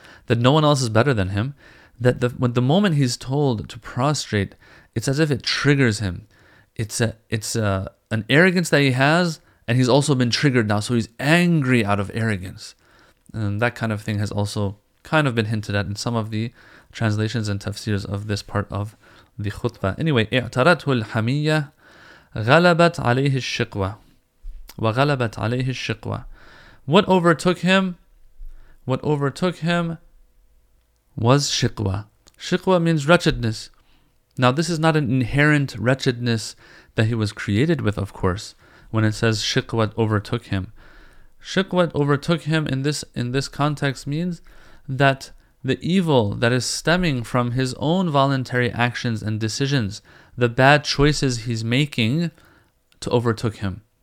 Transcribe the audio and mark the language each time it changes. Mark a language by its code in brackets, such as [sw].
[en] that no one else is better than him, that when the moment he's told to prostrate, it's as if it triggers him. It's an arrogance that he has, and he's also been triggered now, so he's angry out of arrogance. And that kind of thing has also kind of been hinted at in some of the translations and tafsirs of this part of the khutbah. [ar] Anyway, اعترته الحمية غلبت عليه الشقوة وغلبت عليه الشقوة. [en] What overtook him was shiqwa. Shiqwa means wretchedness. Now, this is not an inherent wretchedness that he was created with, of course, when it says shiqwa overtook him. Shiqwa overtook him in this context means that the evil that is stemming from his own voluntary actions and decisions, the bad choices he's making, to overtook him.